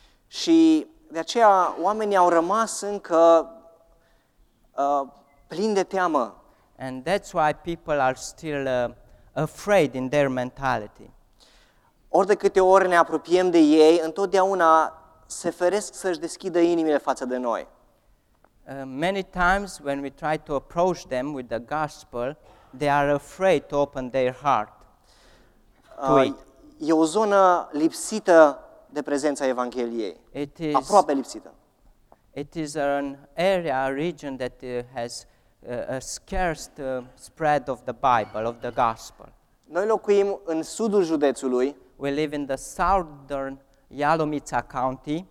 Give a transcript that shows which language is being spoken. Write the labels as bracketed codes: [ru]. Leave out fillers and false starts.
[ro] Și de aceea oamenii au rămas încă plini de teamă. [en] And that's why people are still afraid in their mentality. [ro] Ori de câte ori ne apropiem de ei, întotdeauna se feresc să-și deschidă inimile față de noi. [en] Many times when we try to approach them with the gospel, they are afraid to open their heart. [ro] E o zonă lipsită de prezența Evangheliei. [en] It is [ro] aproape lipsită. [en] It is an area, a region that has a scarce spread of the Bible, of the gospel. [ro] Noi locuim în sudul județului. [en] We live in the southern Ialomița County.